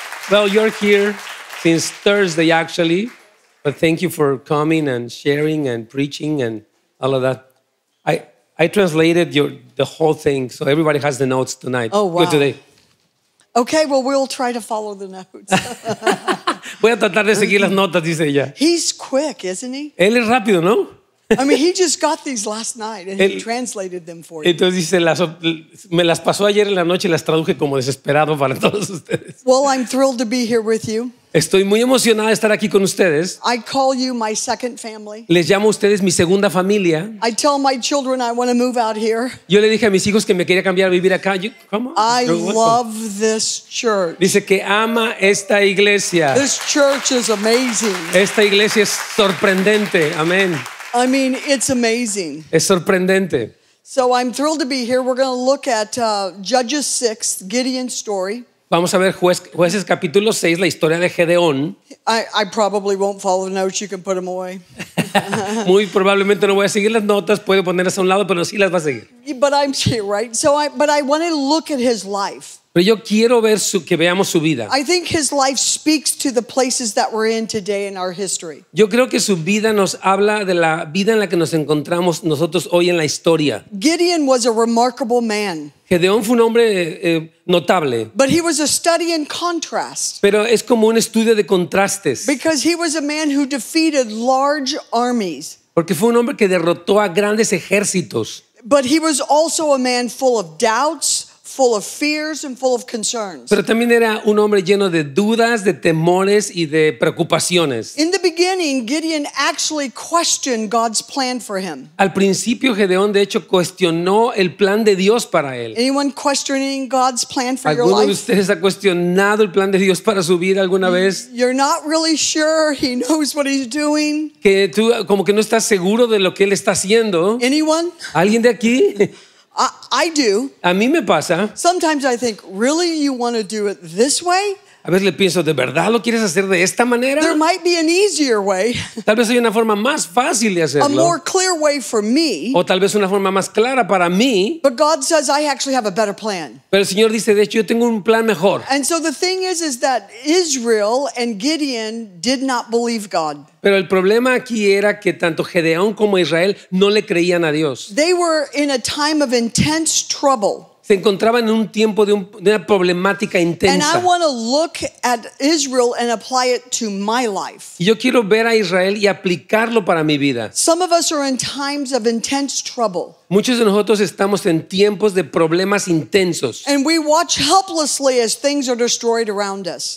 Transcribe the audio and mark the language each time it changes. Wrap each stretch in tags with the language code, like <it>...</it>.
<en>Well, you're here since Thursday, actually, but thank you for coming and sharing and preaching and all of that. I translated the whole thing, so everybody has the notes tonight. Oh, wow. Good today. Okay, well, we'll try to follow the notes.</en> <es>Voy a tratar de seguir las notas, dice ella.</es> <en>He's quick, isn't he?</en> <es>Él es rápido, ¿no?</es> <en>I mean, he just got these last night and he translated them for you.</en> <es>Entonces dice, me las pasó ayer en la noche y las traduje como desesperado para todos ustedes.</es> <en>Well, I'm thrilled to be here with you.</en> <es>Estoy muy emocionada de estar aquí con ustedes.</es> <en>I call you my second family.</en> <es>Les llamo a ustedes mi segunda familia.</es> <en>I tell my children I want to move out here.</en> <es>Yo le dije a mis hijos que me quería cambiar a vivir acá. ¿Cómo?</es> <en>I love this church.</en> <es>Dice que ama esta iglesia.</es> <en>This church is amazing.</en> <es>Esta iglesia es sorprendente. Amén.</es> <en>I mean, it's amazing.</en> <es>Es sorprendente.</es> <en>So I'm thrilled to be here. We're going to look at Judges 6, Gideon's story.</en> <es>Vamos a ver jueces capítulo 6, la historia de Gedeón.</es> <en>I probably won't follow the notes. You can put them away.</en> <es>Muy probablemente no voy a seguir las notas. Puedo ponerlas a un lado, pero sí las va a seguir.</es> <en>But I'm here, right? But I want to look at his life.</en> <es>Pero yo quiero ver que veamos su vida.</es> <en>I think his life speaks to the places that we're in today in our history.</en> <es>Yo creo que su vida nos habla de la vida en la que nos encontramos nosotros hoy en la historia.</es> <en>Gideon was a remarkable man.</en> <es>Gedeón fue un hombre notable.</es> <en>But he was a study in contrast.</en> <es>Pero es como un estudio de contrastes.</es> <en>Because he was a man who defeated large armies.</en> <es>Porque fue un hombre que derrotó a grandes ejércitos.</es> <en>But he was also a man full of doubts, full of fears and full of concerns.</en> <es>Pero también era un hombre lleno de dudas, de temores y de preocupaciones.</es> <en>In the beginning, Gideon actually questioned God's plan for him.</en> <es>Al principio, Gedeón de hecho cuestionó el plan de Dios para él.</es> <en>Anyone questioning God's plan for your life?</en> <es>¿Alguno de ustedes ha cuestionado el plan de Dios para su vida alguna vez?</es> <en>You're not really sure he knows what he's doing.</en> <es>Que tú como que no estás seguro de lo que él está haciendo.</es> <en>Anyone?</en> <es>¿Alguien de aquí?</es> <en>I do.</en> <es>A mí me pasa.</es> <en>Sometimes I think, really, you want to do it this way?</en> <es>A veces le pienso, ¿de verdad lo quieres hacer de esta manera?</es> <en>There might be an easier way.</en> <es>Tal vez hay una forma más fácil de hacerlo.</es> <en>A more clear way for me.</en> <es>O tal vez una forma más clara para mí.</es> <en>But God says I actually have a better plan.</en> <es>Pero el Señor dice, de hecho, yo tengo un plan mejor.</es> <en>And so the thing is that Israel and Gideon did not believe God.</en> <es>Pero el problema aquí era que tanto Gedeón como Israel no le creían a Dios.</es> <en>They were in a time of intense trouble.</en> <es>Se encontraban en un tiempo de una problemática intensa.</es> <en>And I want to look at Israel and apply it to my life.</en> <es>Y yo quiero ver a Israel y aplicarlo para mi vida.</es> <en>Some of us are in times of intense trouble.</en> <es>Muchos de nosotros estamos en tiempos de problemas intensos.</es> <en>And we watch helplessly as things are destroyed around us.</en>